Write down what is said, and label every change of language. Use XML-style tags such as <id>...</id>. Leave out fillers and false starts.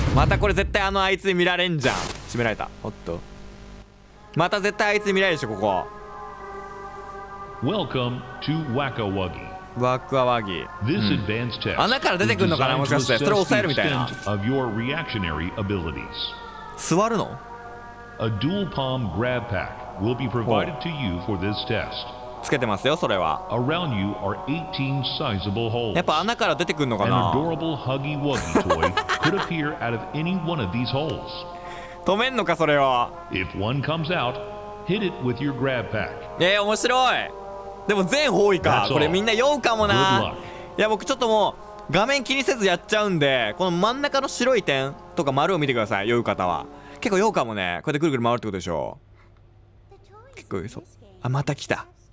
<ja>またこれ絶対あのあいつに見られんじゃん。閉められた。おっと、また絶対あいつ見られるでしょここ。</ja> <en>Welcome to Wacka Wuggy. Wacka Wuggy. This advanced test.</en> <ja>穴から出てくるのかな、もしかして。それを抑えるみたいな。</ja> <en>Of your reactionary abilities.</en> <ja>座るの？</ja> <en>A dual palm grab pack will be provided to you for this test.</en> <ja>つけてますよそれは。</ja> <en>Around you are 18 sizable holes.</en> <ja>やっぱ穴から出てくるのかな。</ja> <en>An adorable Huggy Wuggy toy could appear out of any one of these holes.</en> <ja>止めんのかそれを。</ja> <en>If one comes out, hit it with your grab pack.</en> <ja>面白い。でも全方位か。これみんな酔うかもな。いや僕ちょっともう画面気にせずやっちゃうんで、この真ん中の白い点とか丸を見てください、酔う方は。結構酔うかもね、こうやってぐるぐる回るってことでしょう。結構酔いそう。あ、また来た。</ja>